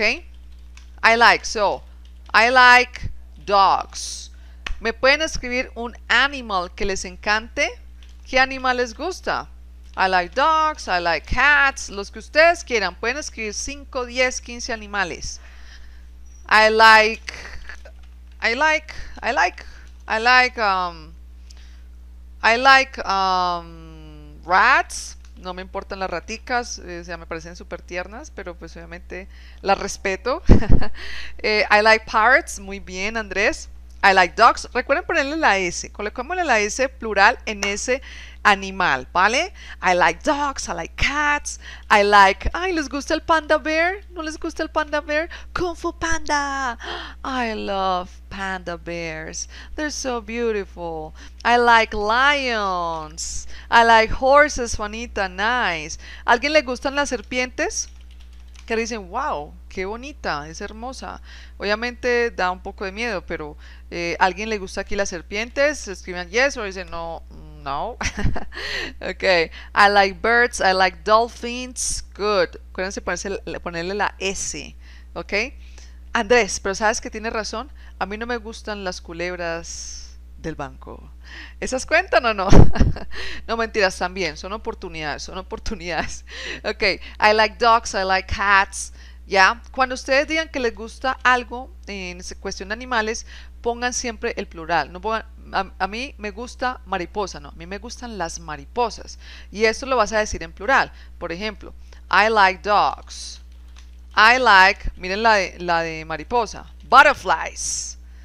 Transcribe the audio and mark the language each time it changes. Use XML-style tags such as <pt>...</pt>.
<en>I like. So, I like dogs.</en> <es>¿Me pueden escribir un animal que les encante? ¿Qué animal les gusta?</es> <en>I like dogs, I like cats,</en> <es>los que ustedes quieran. Pueden escribir 5, 10, 15 animales.</es> <en>I like, I like, I like, I like, I like rats.</en> <es>No me importan las raticas, o sea, me parecen súper tiernas, pero pues obviamente las respeto.</es> <en>I like parrots,</en> <es>muy bien,</es> <en>Andrés. I like dogs.</en> <es>Recuerden ponerle la S. Colocámosle la S plural en ese animal, ¿vale?</es> <en>I like dogs. I like cats. I like.</en> <es>Ay, ¿les gusta el</es> <en>panda bear?</en> <es>¿No les gusta el panda bear?</es> <en>Kung Fu Panda. I love panda bears. They're so beautiful. I like lions. I like horses, Juanita. Nice.</en> <es>¿Alguien le gustan las serpientes? Que dicen, wow, qué bonita, es hermosa. Obviamente da un poco de miedo, pero ¿alguien le gusta aquí las serpientes? Escriban yes o dicen no, no.</es> <en>Ok, I like birds, I like dolphins.</en> <es>Good. Acuérdense ponerle la S. Ok, Andrés, pero sabes que tienes razón. A mí no me gustan las culebras del banco. ¿Esas cuentan o no? No, mentiras, también, son oportunidades, son oportunidades.</es> <en>Ok, I like dogs, I like cats.</en> <es>¿Ya? Cuando ustedes digan que les gusta algo en cuestión de animales, pongan siempre el plural. No pongan, a mí me gusta mariposa, no, a mí me gustan las mariposas. Y eso lo vas a decir en plural. Por ejemplo,</es> <en>I like dogs. I like,</en> <es>miren la de mariposa, butterflies.</es>